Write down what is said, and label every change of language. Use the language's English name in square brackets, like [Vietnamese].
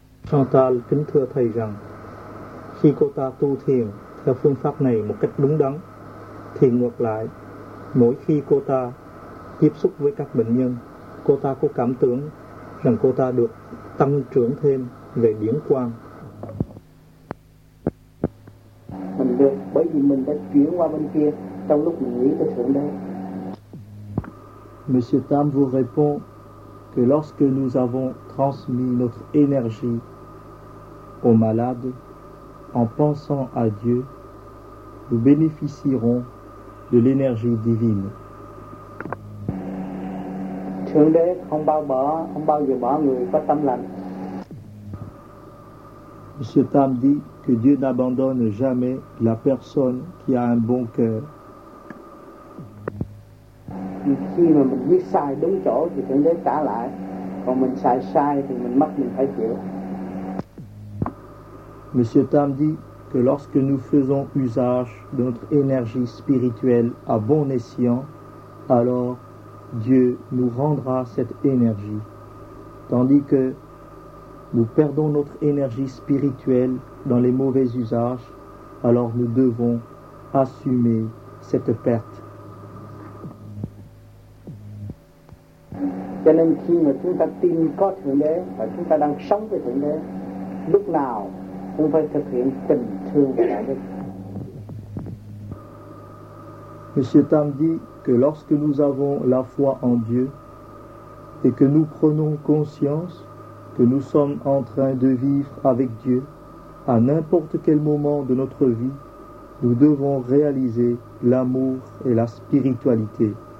[Vietnamese] Chantal, kính thưa thầy rằng, khi cô ta tu thiền theo phương pháp này một cách đúng đắn, thì ngược lại, mỗi khi cô ta tiếp xúc với các bệnh nhân, cô ta có cảm tưởng rằng cô ta được tăng trưởng thêm về điển quang. Mình được bởi vì mình đã chuyển qua bên kia trong lúc mình nghĩ tới thượng đế. [French] Monsieur Tam vous répond que lorsque nous avons transmis notre énergie aux malades en pensant à Dieu, nous bénéficierons de l'énergie divine. [Vietnamese] Thượng đế không bao giờ bỏ người có tâm lành. [French] Monsieur Tam dit que Dieu n'abandonne jamais la personne qui a un bon cœur. [Vietnamese] Khi mà mình viết sai đúng chỗ thì Thượng Đế trả lại, còn mình xài sai thì mình mất mình phải chịu. [French] Monsieur Tam dit que lorsque nous faisons usage de notre énergie spirituelle à bon escient, alors Dieu nous rendra cette énergie. Tandis que nous perdons notre énergie spirituelle dans les mauvais usages, alors nous devons assumer cette perte. [Vietnamese] Cho nên khi mà chúng ta tin có Thượng Đế và chúng ta đang sống với Thượng Đế, lúc nào cũng phải thực hiện tình thương của Đại Đức. [French] Monsieur Tam dit que lorsque nous avons la foi en Dieu et que nous prenons conscience que nous sommes en train de vivre avec Dieu, à n'importe quel moment de notre vie, nous devons réaliser l'amour et la spiritualité.